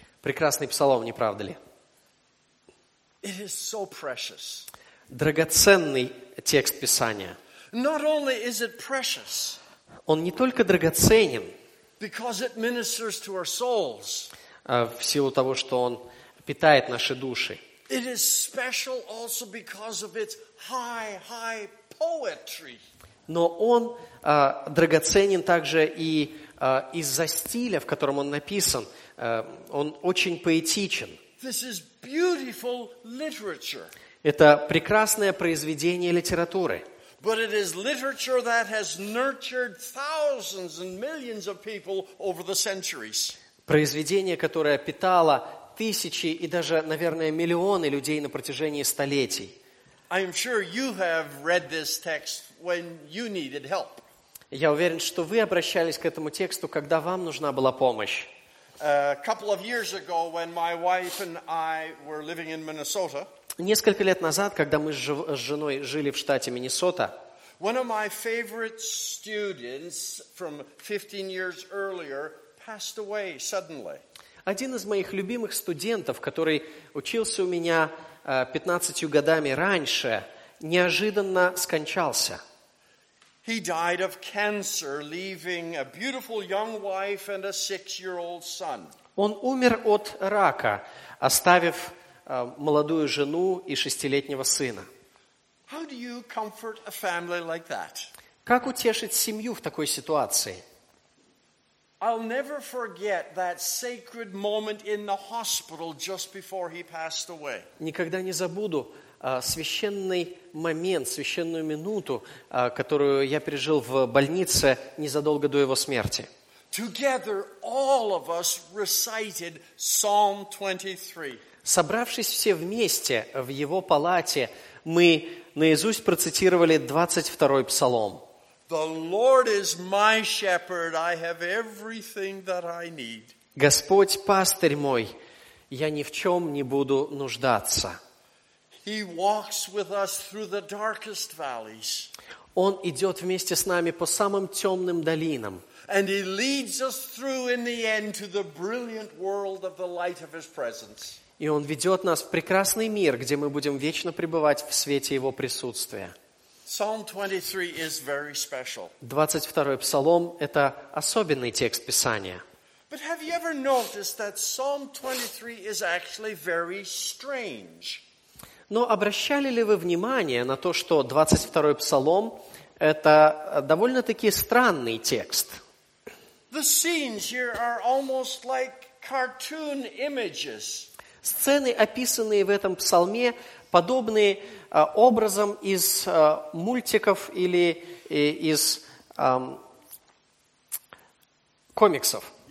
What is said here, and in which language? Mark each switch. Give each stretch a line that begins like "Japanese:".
Russian: Прекрасный псалом, не правда ли?
English: It is so precious.
Russian: Драгоценный текст Писания.
English: Not only is it precious,
Russian: он не только драгоценен,
English: because it ministers to our souls,
Russian: а в силу того, что он питает наши души.
English: It is special also because of its high, high poetry.
Russian: Но он драгоценен также и из-за стиля, в котором он написан. Он очень поэтичен.
English: This is beautiful literature.
Russian: Это прекрасное произведение литературы.
English: But it is literature that has nurtured thousands and millions of people over the centuries.
Russian: Произведение, которое питало тысячи и даже, наверное, миллионы людей на протяжении столетий.
English: I'm sure you have read this text when you needed help.
Russian: Я уверен, что вы обращались к этому тексту, когда вам нужна была помощь.
English: A couple of years ago, when my wife and I were living in Minnesota,
Russian: несколько лет назад, когда мы с женой жили в штате Миннесота,
English: one of my favorite students from 15 years earlier passed away suddenly.
Russian: Один из моих любимых студентов, который учился у меня 15 годами раньше, неожиданно скончался.
English: He died of cancer, leaving a beautiful young wife and a 6-year-old son.
Russian: Он умер от рака, оставив молодую жену и 6-летнего сына.
English: How do you comfort a family like that?
Russian: Как утешить семью в такой ситуации?
English: I'll never forget that sacred moment in the hospital just before he passed away.
Russian: Никогда не забуду священный момент, священную минуту, которую я пережил в больнице незадолго до его смерти.
English: Together all of us recited Psalm 23.
Russian: Собравшись все вместе в его палате, мы наизусть процитировали 22-й псалом.
English: The Lord is my shepherd, I have everything that I need.
Russian: Господь пастырь мой, я ни в чем не буду нуждаться.
English: He walks with us through the darkest valleys.
Russian: Он идет вместе с нами по самым темным долинам.
English: And he leads us through in the end to the brilliant world of the light of his presence.
Russian: И он ведет нас в прекрасный мир, где мы будем вечно пребывать в свете его присутствия.
English: Psalm 23 is very special.
Russian: 22-й псалом – это особенный текст Писания.
English: But have you ever noticed that Psalm 23 is actually very strange?
Russian: Но обращали ли вы внимание на то, что 22-й псалом – это довольно-таки странный текст?
English: The scenes here are almost like cartoon images.
Russian: Сцены, описанные в этом псалме, подобны образам из мультиков или из комиксов.